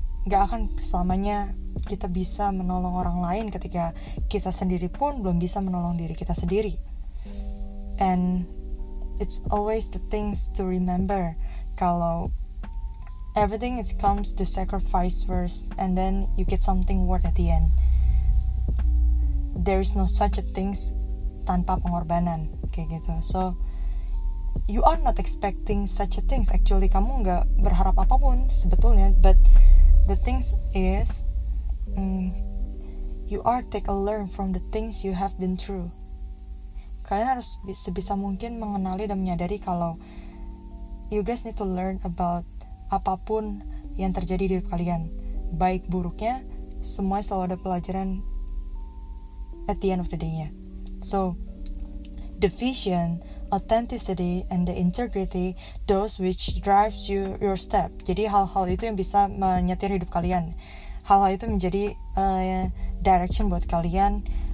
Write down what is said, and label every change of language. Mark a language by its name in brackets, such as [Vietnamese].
[Indonesian] Gak akan selamanya kita bisa menolong orang lain ketika kita sendiri pun belum bisa menolong diri kita sendiri. [English] And it's always the things to remember, [Indonesian] kalau [English] everything it comes to sacrifice first, and then you get something worth at the end. There is no such a things [Indonesian] tanpa pengorbanan, kayak gitu. [English] So you are not expecting such a things. Actually, [Indonesian] kamu nggak berharap apapun sebetulnya. [English] But the things is, you are take a learn from the things you have been through. [Indonesian] Kalian harus sebisa mungkin mengenali dan menyadari kalau [English] you guys need to learn about [Indonesian] apapun yang terjadi di hidup kalian, baik buruknya, semua selalu ada pelajaran [English] at the end of the day- [Indonesian] nya. [English] So the vision, authenticity, and the integrity, those which drives you your step. [Indonesian] Jadi hal-hal itu yang bisa menyetir hidup kalian, hal-hal itu menjadi direction buat kalian,